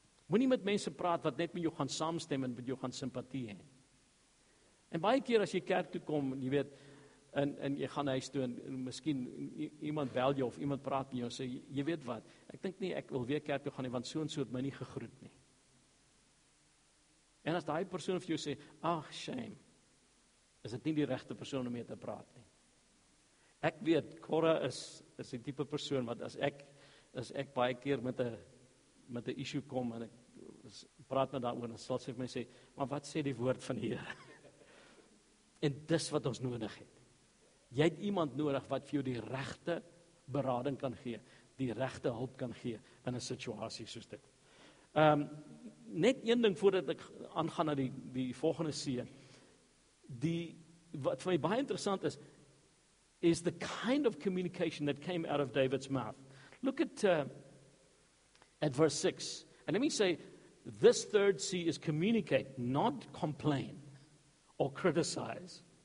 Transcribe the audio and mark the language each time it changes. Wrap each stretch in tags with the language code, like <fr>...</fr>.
<af>Moenie met mense praat wat net met jou gaan saamstem en met jou gaan sympatie hê. En baie keer as jy kerk toe kom, jy weet, en jy gaan huis toe, en miskien iemand bel jou, of iemand praat met jou, en sê, jy weet wat, ek dink nie, ek wil weer kerk toe gaan nie, want so en so het my nie gegroet nie. En as die persoon vir jou sê, ach, shame, is dit nie die regte persoon om mee te praat nie. Ek weet, Cora is die type persoon, wat as ek baie keer met 'n issue kom, en ek praat met daar oor, en sal sê vir my sê, maar wat sê die woord van die Here? En dis wat ons nodig het. Jy het iemand nodig wat vir jou die regte berading kan gee, die regte hulp kan gee in 'n situasie soos dit. Net een ding voordat ek aangaan na die volgende seën. Die wat vir my baie interessant is,</af> <en>is the kind of communication that came out of David's mouth. Look at verse 6. And let me say, this third C is communicate, not complain or criticize.</en>